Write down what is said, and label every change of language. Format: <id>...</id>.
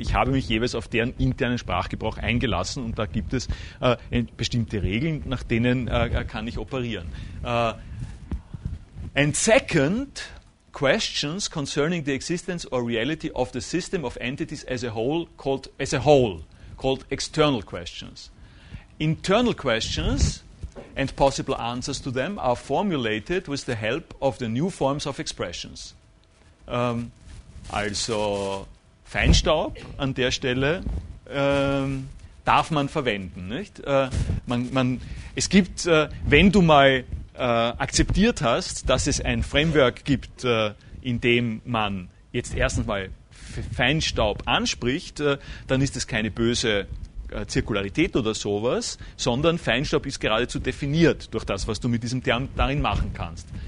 <de>Ich habe mich jeweils auf deren internen Sprachgebrauch eingelassen, und da gibt es bestimmte Regeln, nach denen kann ich operieren.</de> <en>And second, questions concerning the existence or reality of the system of entities as a whole called external questions. Internal questions and possible answers to them are formulated with the help of the new forms of expressions.</en> <de>Also Feinstaub an der Stelle darf man verwenden, nicht? Wenn du mal akzeptiert hast, dass es ein Framework gibt, in dem man jetzt erstens mal Feinstaub anspricht, dann ist es keine böse Zirkularität oder sowas, sondern Feinstaub ist geradezu definiert durch das, was du mit diesem Term darin machen kannst.</de>